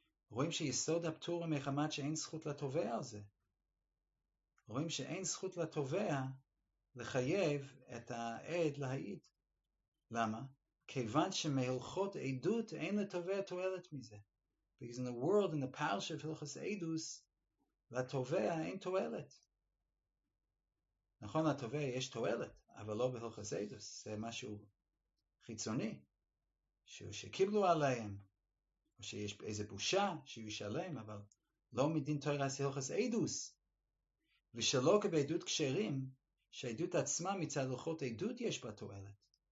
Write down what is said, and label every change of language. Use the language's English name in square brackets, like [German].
[Hebrew] רואים שיסוד הפטור הוא מחמת שאין זכות לתובע על זה. רואים שאין זכות לתובע לחייב את העד להעיד. למה? כיוון שמהלכות עדות אין לתובע תועלת מזה. [English] Because in the world, in the power [Hebrew] של הלכות עדות, לתובע אין תועלת. נכון, לתובע יש תועלת, אבל לא בהלכות עדות. זה משהו חיצוני, שקיבלו עליהם. או שיש איזה בושה שהוא ישלם, אבל לא מדין תורה הלכות עדות. ושלא כבעדות כשרים, שהעדות עצמה מצד הלכות עדות יש בה תועלת.